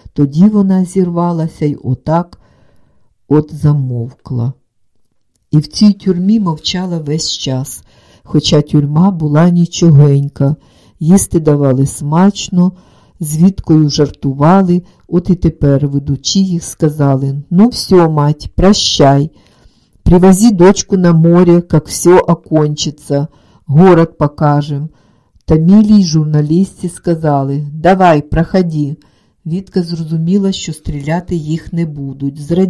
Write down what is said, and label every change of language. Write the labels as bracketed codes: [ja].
[uk] Тоді вона зірвалася і отак от замовкла. І в цій тюрмі мовчала весь час, хоча тюрма була нічогенька. Їсти давали смачно, з Віткою жартували, от і тепер ведучі їх сказали: [ru] «Ну все, мать, прощай. Привози дочку на море, как все окончится, город покажем». [uk] Тамілі й журналісти сказали: «Давай, проходи». Вітка зрозуміла, що стріляти їх не будуть.